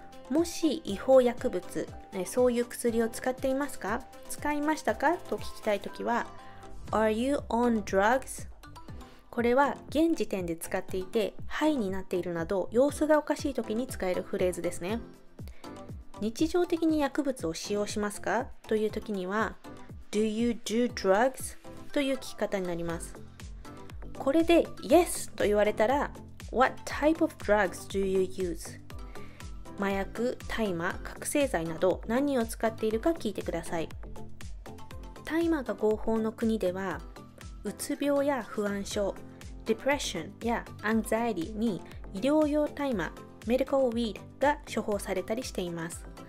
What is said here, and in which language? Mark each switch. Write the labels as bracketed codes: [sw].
[ja] もし違法薬物、そういう薬を使っていますか? 使いましたか? と聞きたいときは Are you on drugs? これは現時点で使っていてハイになっているなど様子がおかしいときに使えるフレーズですね。日常的に薬物を使用しますか? というときには Do you do drugs? という聞き方になります。これで Yes! [en] と言われたら What type of drugs do you use? [ja] 麻薬、大麻、覚醒剤など何を使っているか聞いてください。大麻が合法の国ではうつ病や不安症、Depression や Anxiety に医療用大麻、Medical Weed が処方されたりしています。